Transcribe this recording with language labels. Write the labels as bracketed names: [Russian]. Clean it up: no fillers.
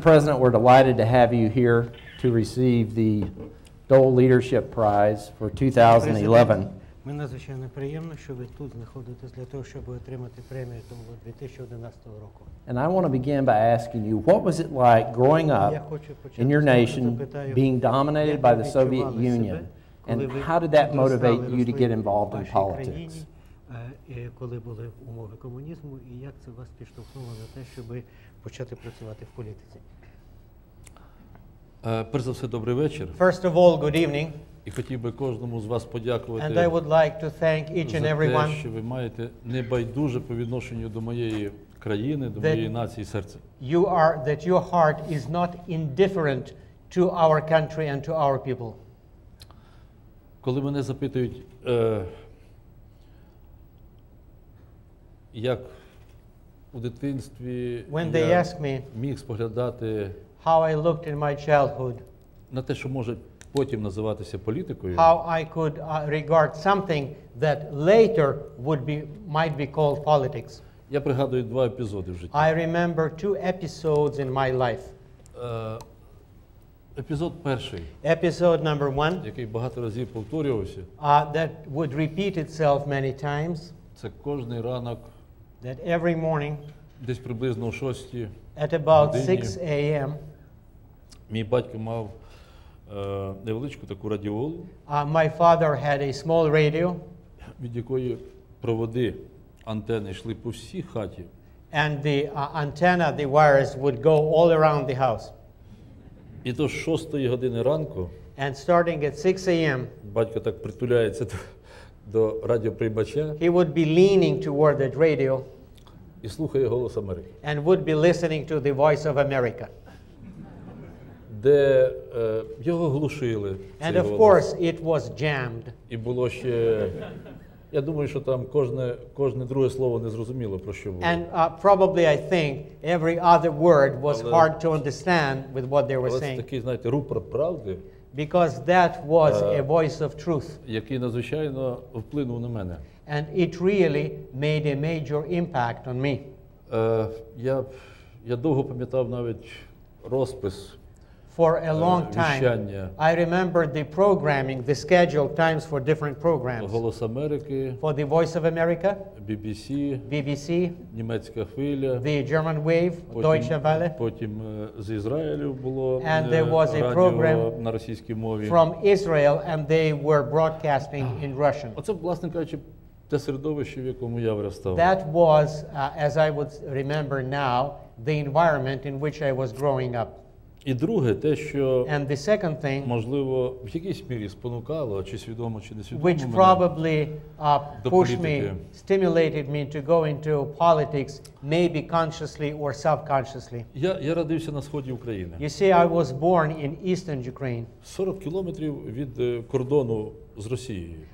[English] President, we're delighted to have you here to receive the Dole Leadership Prize for 2011. [Ukrainian] Мені надзвичайно приємно, що ви тут знаходитесь для того, щоб отримати премію Dole 2011 року. [English] And I want to begin by asking you, what was it like growing up in your nation being dominated by the Soviet Union? And how did that motivate you to get involved in politics? [Ukrainian] Коли були умови комунізму, і як це вас підштовхнуло на те, щоб почати працювати в політиці? Перш за все, добрий вечір. [English] First of all, good evening. [Ukrainian] І хотів би кожному з вас подякувати. [English] And I would like to thank each and everyone. [Ukrainian] За те, що ви маєте небайдуже по відношенню до моєї країни, до моєї нації серце. [English] You are that your heart is not indifferent to our country and to our people. [Ukrainian] Коли мене запитують, як у дитинстві я міг споглядати [English] how I looked in my childhood, [Ukrainian] на те, що може потім називатися політикою, [English] how I could regard something that later would be might be called politics. [Ukrainian] Я пригадую два епізоди в житті. [English] I remember two episodes in my life. [Ukrainian] Епізод перший. [English] Episode number one, [Ukrainian] який багато разів повторювався. [English] That would repeat itself many times. [Ukrainian] Це кожний ранок. [English] That every morning, [Ukrainian] десь приблизно о 6 [English] at about 6 a.m., [Ukrainian] мій батько мав невеличку таку радіолу. [English] My father had a small radio, [Ukrainian] від якої проводи антени йшли по всій хаті. [English] And the antenna, the wires would go all around the house. [Ukrainian] І то з 6 години ранку, [English] and starting at 6 a.m., [Ukrainian] батько так притуляється до радіоприймача. [English] He would be leaning toward that radio. [Ukrainian] І слухає голос Америки. [English] And would be listening to the voice of America. [Ukrainian] Де його глушили. [English] And of [Ukrainian] голос. [English] Course it was jammed. [Ukrainian] І було ще, я думаю, що там кожне друге слово не зрозуміло, про що було. [English] And probably I think every other word was [Ukrainian] але, [English] hard to understand with what they were [Ukrainian] але [English] saying. [Ukrainian] Але це такий, знаєте, рупор правди. [English] Because that was a voice of truth. [Ukrainian] Який надзвичайно вплинув на мене. [English] And it really made a major impact on me. [Ukrainian] Я довго пам'ятав навіть розпис. [English] For a long [Ukrainian] вещання. [English] Time, I remembered the programming, the scheduled times for different programs. [Ukrainian] Голос Америки. [English] For the Voice of America. BBC. BBC. [Ukrainian] Німецька хвиля. [English] The German Wave, [Ukrainian] потім, [English] Deutsche Welle. [Ukrainian] Потім з Ізраїлю було [English] and there was [Ukrainian] радіо [English] a program [Ukrainian] на російській мові. [English] From Israel, and they were broadcasting in Russian. [Ukrainian] Оце, власне кажучи, те середовище, в якому я виростав. [English] That was, as I would remember now, the environment in which I was growing up. [Ukrainian] І друге, те, що, [English] and the second thing, [Ukrainian] можливо, в якійсь мірі спонукало, чи свідомо, чи не свідомо, [English] which probably pushed me, stimulated me to go into politics, maybe consciously or subconsciously. [Ukrainian] Я родився на сході України. [English] You see, I was born in eastern Ukraine. [Ukrainian] 40 кілометрів від кордону з Росією.